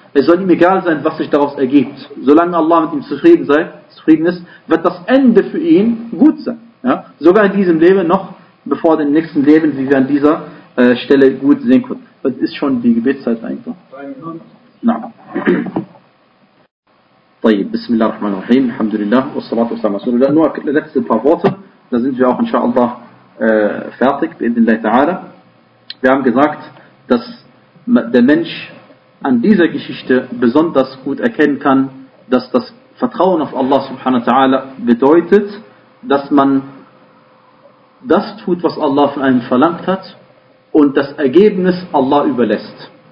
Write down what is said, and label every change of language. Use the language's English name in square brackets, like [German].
[German] Es soll ihm egal sein, was sich daraus ergibt. Solange Allah mit ihm zufrieden ist, wird das Ende für ihn gut sein. Ja? Sogar in diesem Leben noch, bevor dem nächsten Leben, wie wir an dieser Stelle gut sehen können. Das ist schon die Gebetszeit eigentlich. Nein. [Arabic] بسم الله الرحمن الرحيم الحمد لله والصلاة والسلام على رسول الله نوع لذلك سبحانه [German] da sind wir auch [Arabic] إن شاء الله [German] fertig [Arabic] بإذن الله تعالى. [German] Wir haben gesagt, dass der Mensch an dieser Geschichte besonders gut erkennen kann, dass das Vertrauen auf Allah subhanahu wa ta'ala bedeutet, dass man das tut, was Allah von einem verlangt hat und das Ergebnis Allah überlässt.